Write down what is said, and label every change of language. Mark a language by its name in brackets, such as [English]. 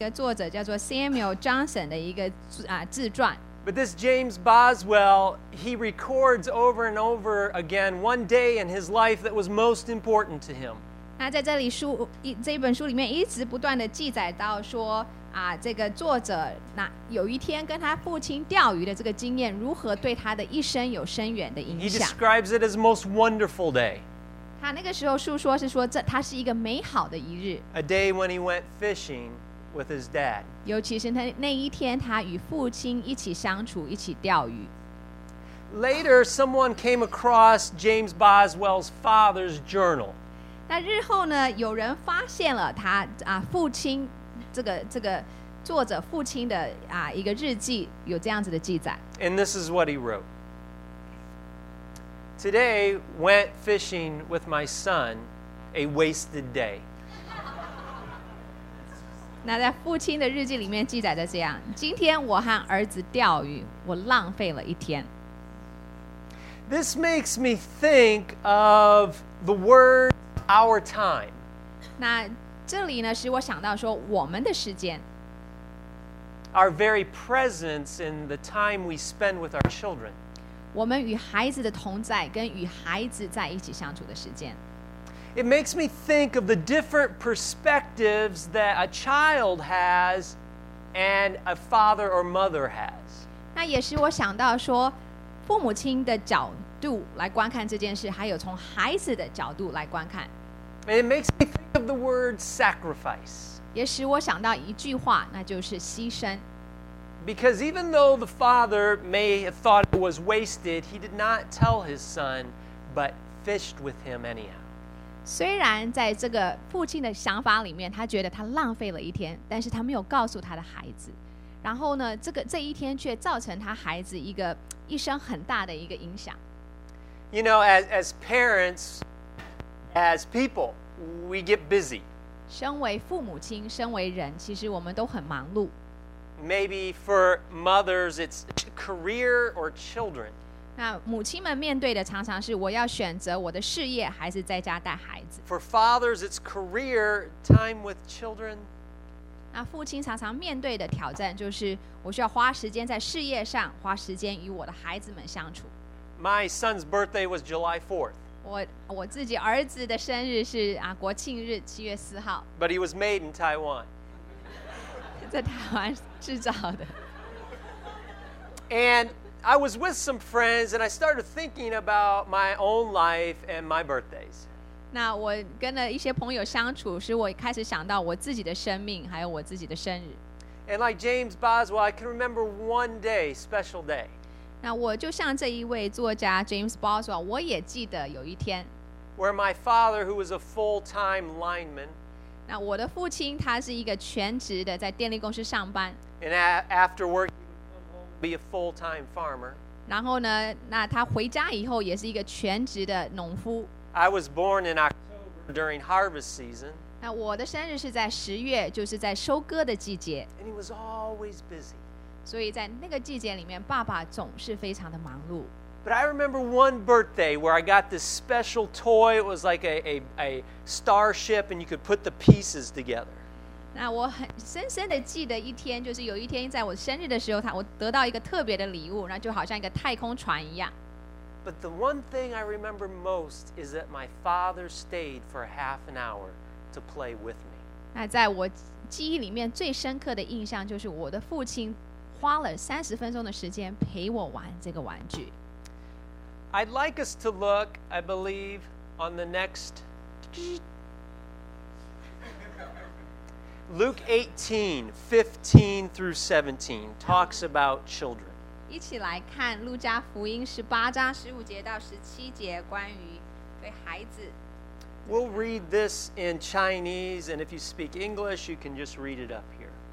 [Chinese] 一个作者叫做 Samuel Johnson 的一个自传。 [English] But this James Boswell, he records over and over again one day in his life that was most important to him. [Chinese] 那在这里书这本书里面一直不断的记载到说这个作者那有一天跟他父亲钓鱼的这个经验如何对他的一生有深远的影响。 [English] He describes it as most wonderful day. [Chinese] 他那个时候述说是说这他是一个美好的一日。 [English] A day when he went fishing. With his dad. [Chinese] 尤其是那一天他与父亲一起相处一起钓鱼 [English] Later, someone came across James Boswell's father's journal. [Chinese] 那日后呢有人发现了他父亲这个作者父亲的一个日记有这样子的记载 [English] And this is what he wrote. Today, went fishing with my son, a wasted day. [Chinese] 那在父亲的日记里面记载的这样今天我和儿子钓鱼我浪费了一天 [English] This makes me think of the word our time [Chinese] 那这里呢使我想到说我们的时间 [English] Our very presence in the time we spend with our children [Chinese] 我们与孩子的同在跟与孩子在一起相处的时间 [English] It makes me think of the different perspectives that a child has and a father or mother has. [Chinese] 那也使我想到说父母亲的角度来观看这件事还有从孩子的角度来观看。 [English] It makes me think of the word sacrifice. [Chinese] 也使我想到一句话那就是牺牲。 [English] Because even though the father may have thought it was wasted, he did not tell his son, but fished with him anyhow. [Chinese] 虽然在这个父亲的想法里面他觉得他浪费了一天但是他没有告诉他的孩子然后呢这一天却造成他孩子一生很大的一个影响 [English] You know, as parents, as people, we get busy [Chinese] 身为父母亲身为人其实我们都很忙碌 [English] Maybe for mothers, it's career or children [Chinese] 那母亲们面对的常常是我要选择我的事业还是在家带孩子。 [English] For fathers, it's career time with children. [Chinese] 那父亲常常面对的挑战就是我需要花时间在事业上，花时间与我的孩子们相处。 [English] My son's birthday was July 4th. [Chinese] 我自己儿子的生日是国庆日七月四号。 [English] But he was made in Taiwan. [Chinese] 在台湾制造的。 [English] And I was with some friends and I started thinking about my own life and my birthdays. [Chinese] 那我跟了一些朋友相处使我开始想到我自己的生命还有我自己的生日。 [English] And like James Boswell, I can remember one day, special day. [Chinese] 那我就像这一位作家 James Boswell, 我也记得有一天。 [English] Where my father, who was a full-time lineman, [Chinese] 那我的父亲他是一个全职的在电力公司上班。 [English] And after work,be a full-time farmer. [Chinese] 然后呢那他回家以后也是一个全职的农夫。 [English] I was born in October during harvest season. [Chinese] 那我的生日是在十月就是在收割的季节。 [English] And he was always busy. [Chinese] 所以在那个季节里面爸爸总是非常的忙碌。 [English] But I remember one birthday where I got this special toy. It was like a starship and you could put the pieces together. [Chinese] 那我很深深的记得一天就是有一天在我生日的时候我得到一个特别的礼物然后就好像一个太空船一样 [English] But the one thing I remember most is that my father stayed for half an hour to play with me [Chinese] 那在我记忆里面最深刻的印象就是我的父亲花了30分钟的时间陪我玩这个玩具 [English] I'd like us to look, I believe, on the next Luke 18, 15 through 17 talks about children. [Chinese] 一起来看路加福音18章15节到17节关于对孩子。 [English] We'll read this in Chinese, and if you speak English, you can just read it up here.